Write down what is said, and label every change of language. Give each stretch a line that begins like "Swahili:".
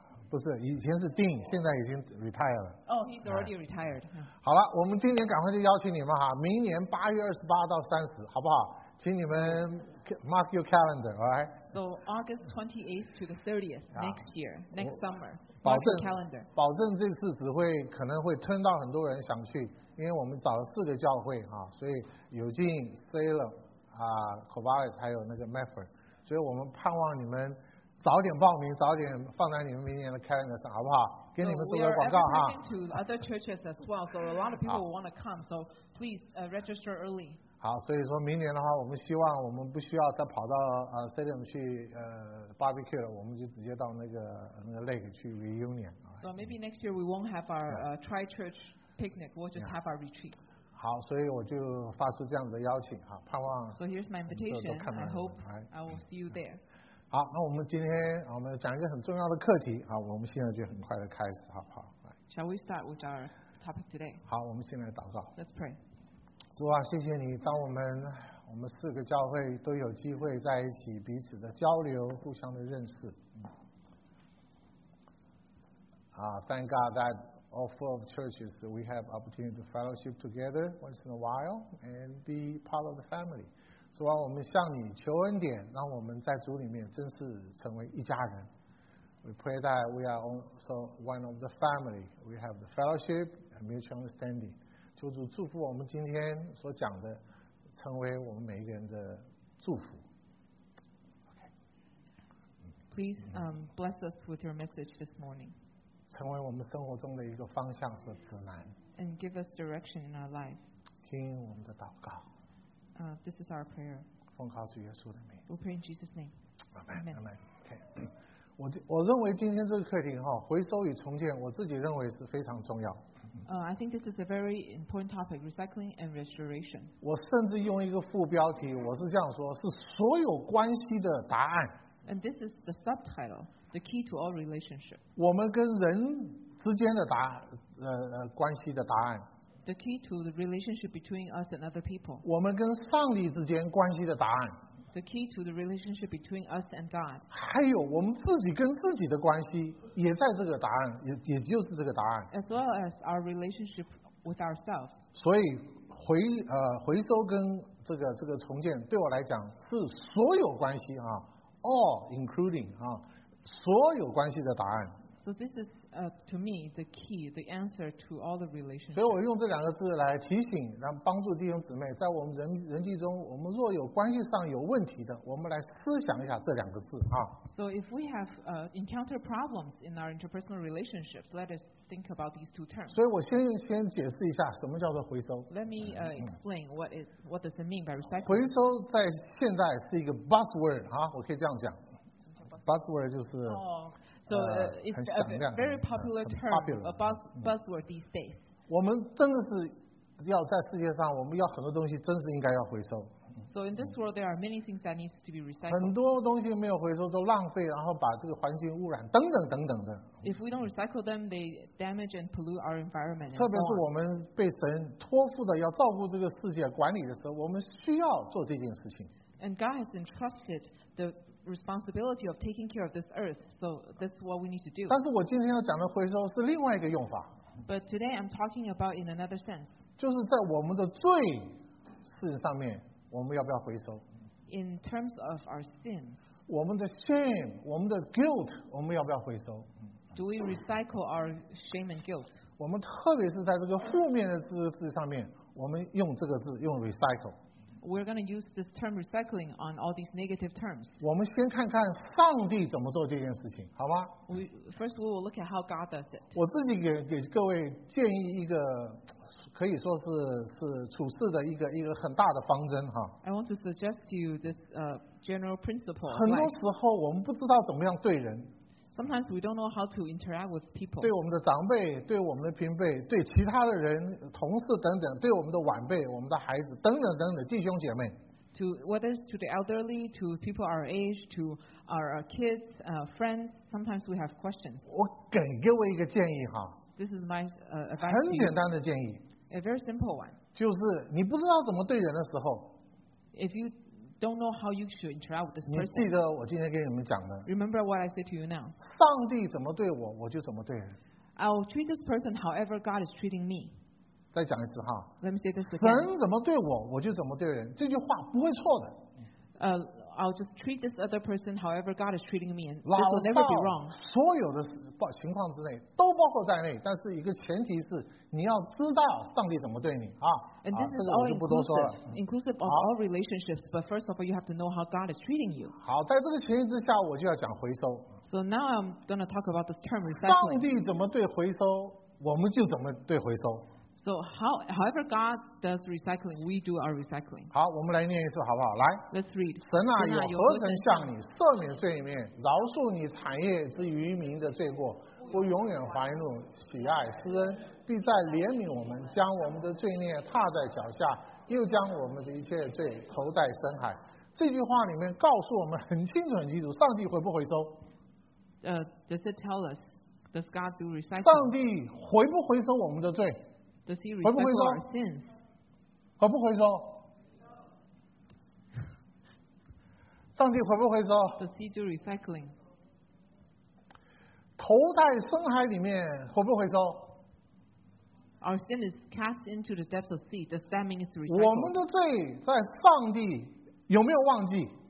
Chinese: 不是，以前是 Dean， 现在已经 retired 了。
English: He's already retired.
Chinese: 好了，我们今年赶快就邀请你们哈，明年八月二十八到三十，好不好？请你们
English: mark your calendar, all right? So August 28th to the 30th next year, next summer.
Chinese: 保证这次只会可能会吞到很多人想去，因为我们找了四个教会哈，所以有进 Salem 啊 Corvallis 还有那个 Medford， 所以我们盼望你们早点报名，早点放在你们明年的 calendar 上，好不好？给你们做个广告哈。
English: To other churches as well, so a lot of people want to come, so please register early.
Chinese: 好，所以说明年的话，我们希望我们不需要再跑到Salem 去barbecue 了，我们就直接到那个 lake 去 reunion。
English: So maybe next year we won't have our tri-church picnic, we'll just have our retreat.
Chinese: 好，所以我就发出这样的邀请哈，盼望。
English: So here's my invitation. I hope I will see you there.
Chinese: 好，那我们今天我们讲一个很重要的课题啊，我们现在就很快的开始，好不好？
English: Shall we start with our topic today?
Chinese: 好，我们先来祷告。
English: Let's pray.
Chinese: 主啊，谢谢你，当我们四个教会都有机会在一起彼此的交流，互相的认识。
English: Thank God that all four of churches we have opportunity to fellowship together once in a while and be part of the family.
Chinese: 主啊，我们向你求恩典，让我们在主里面真是成为一家人。
English: We pray that we are also one of the family. We have the fellowship and mutual understanding.
Chinese: 求主祝福我们今天所讲的。成为我们每一个人的祝福。
English: Please bless us with your message this morning.
Chinese: 成为我们生活中的一个方向和指南。
English: And give us direction in our life.
Chinese: 听我们的祷告。
English: This is our prayer.
Chinese: 奉靠主耶稣的名。
English: We pray in Jesus' name. Amen. Amen. Okay.
Chinese: 我认为今天这个课题哈，回收与重建，我自己认为是非常重要。
English: I think this is a very important topic, recycling and restoration.
Chinese: 我甚至用一个副标题，我是这样说，是所有关系的答案。
English: And this is the subtitle, the key to all relationship.
Chinese: 我们跟人之间的关系的答案。
English: the key to the relationship between us and other people.
Chinese: 我们跟上帝之间关系的答案。
English: The key to the relationship between us and God.
Chinese: 还有我们自己跟自己的关系也在这个答案，也就是这个答案。
English: As well as our relationship with ourselves.
Chinese: 所以回收跟这个重建对我来讲是所有关系啊 ，
English: all including
Chinese: 啊，所有关系的答案。
English: So this is to me the key, the answer to all the relationships.
Chinese: 所以我用这两个字来提醒，然后帮助弟兄姊妹，在我们人际中，我们若有关系上有问题的，我们来思想一下这两个字啊。
English: So if we have encounter problems in our interpersonal relationships, let us think about these two terms.
Chinese: 所以我先解释一下什么叫做回收。
English: Let me explain what does it mean by recycling.
Chinese: 回收在现在是一个 buzzword 啊，我可以这样讲 ，buzzword 就是。
English: So it's a very popular term, a buzzword these days.
Chinese: 我们真的是要在世界上，我们要很多东西真是应该要回收。
English: So in this world, there are many things that needs to be recycled.
Chinese: 很多东西没有回收都浪费，然后把这个环境污染等等等等的。
English: If we don't recycle them, they damage and pollute our environment.
Chinese: 特别是我们被神托付的要照顾这个世界管理的时候，我们需要做这件事情。
English: And God has entrusted the responsibility of taking care of this earth, so that's what we need to do.
Chinese: 但是我今天要讲的回收是另外一个用法。
English: But today I'm talking about in another sense.
Chinese: 就是在我们的罪事实上面，我们要不要回收
English: ？In terms of our sins.
Chinese: 我们的 shame, 我们的 guilt, 我们要不要回收
English: ？Do we recycle our shame and guilt?
Chinese: 我们特别是在这个负面的字上面，我们用这个字用 recycle。
English: We're going to use this term recycling on all these negative terms.
Chinese: 我们先看看上帝怎么做这件事情，好吗
English: ？First, we will look at how God does it.
Chinese: 我自己给各位建议一个，可以说是处事的一个很大的方针哈。
English: I want to suggest to you this general principle.
Chinese: 很多时候我们不知道怎么样对人。
English: Sometimes we don't know how to interact with people.
Chinese: 对我们的长辈，对我们的平辈，对其他的人、同事等等，对我们的晚辈、我们的孩子等等等等，弟兄姐妹。
English: To whether it's to the elderly, to people our age, to our kids, friends, sometimes we have questions.
Chinese: 我给各位一个建议哈。
English: This is my advice.
Chinese: 很简单的建议。
English: A very simple one.
Chinese: 就是你不知道怎么对人的时候。
English: If you don't know how you should interact with this person.
Chinese: 你记得我今天跟你们讲的。
English: Remember what I say to you now.
Chinese: 上帝怎么对我，我就怎么对人。
English: I'll treat this person however God is treating me.
Chinese: 再讲一次哈。
English: Let me say this again.
Chinese: 神怎么对我，我就怎么对人。这句话不会错的。
English: I'll just treat this other person however God is treating me, and this will never be wrong.
Chinese: 所有的情况之内都包括在内，但是一个前提是你要知道上帝怎么对你啊。
English: And this is all inclusive of all relationships, but first of all, you have to know how God is treating you.
Chinese: 好，在这个前提之下，我就要讲回收。
English: So now I'm going to talk about this term recycling.
Chinese: 上帝怎么对回收，我们就怎么对回收。
English: So however God does recycling, we do our recycling.
Chinese: 好，我们来念一次好不好？来
English: ，Let's read.
Chinese: 神啊，有何曾向你赦免罪孽，饶恕你产业之余民的罪过？不永远怀怒，喜爱施恩，必再怜悯我们，将我们的罪孽踏在脚下，又将我们的一切罪投在深海。这句话里面告诉我们很清楚、很清楚，上帝回不回收
English: ？Does it tell us? Does God do recycling?
Chinese: 上帝回不回收我们的罪？
English: Does he recycle our sins?
Chinese: 回不回收？上帝回不回收
English: ？Does he do recycling?
Chinese: 投在深海里面回不回收
English: ？Our sin is cast into the depths of sea. Does that mean it's recycled?
Chinese: 我们的罪在上帝有没有忘记